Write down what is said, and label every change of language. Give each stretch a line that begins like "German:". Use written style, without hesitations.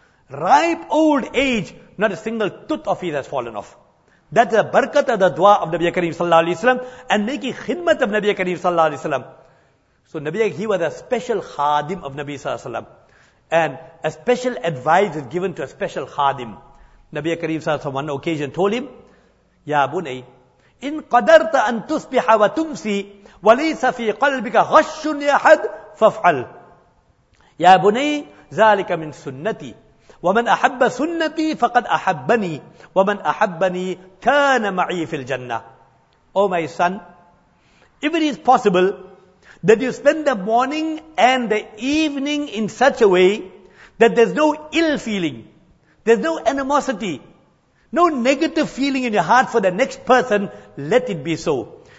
English: Ripe old age, not a single tooth of his has fallen off. That's the barakat of the dua of Nabi Kareem sallallahu alayhi wa sallam and making khidmat of Nabi Kareem sallallahu alayhi wa sallam. So Nabi, he was a special khadim of Nabi sallallahu alayhi wa sallam. And a special advice is given to a special khadim.
Arabic: Nabi Kareem sallallahu alayhi wa sallam
English: on one occasion told him,
Arabic: Ya Bunay, إن قدرت أن تصبح وتمسي وليس في قلبك غش يا حد فافعل يا بني ذلك من سنتي ومن أحب سنتي فقد أحبني ومن أحبني كان معي في الجنة.
English: Oh my son, if it is possible that you spend the morning and the evening in such a way that there's no ill feeling, there's no animosity, no negative feeling in your heart for the next person, let it be so.